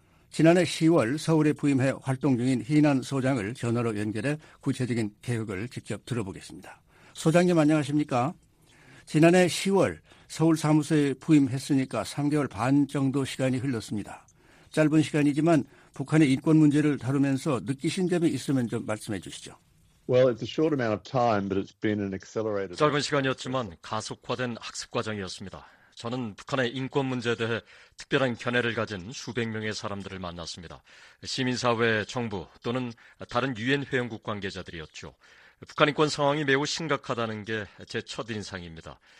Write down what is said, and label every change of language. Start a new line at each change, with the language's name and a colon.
Korean: 지난해 10월 서울에 부임해 활동 중인 히난 소장을 전화로 연결해 구체적인 계획을 직접 들어보겠습니다. 소장님 안녕하십니까? 지난해 10월 서울 사무소에 부임했으니까 3개월 반 정도 시간이 흘렀습니다. 짧은 시간이지만 북한의 인권 문제를 다루면서 느끼신 점이 있으면 좀 말씀해 주시죠.
English: Well, it's a short amount of time, but it's been an accelerated.
Korean: 짧은 시간이었지만 가속화된 학습 과정이었습니다. 저는 북한의 인권 문제에 대해 특별한 견해를 가진 수백 명의 사람들을 만났습니다. 시민사회, 정부 또는 다른 유엔 회원국 관계자들이었죠. 북한 인권 상황이 매우 심각하다는 게 제 첫인상입니다.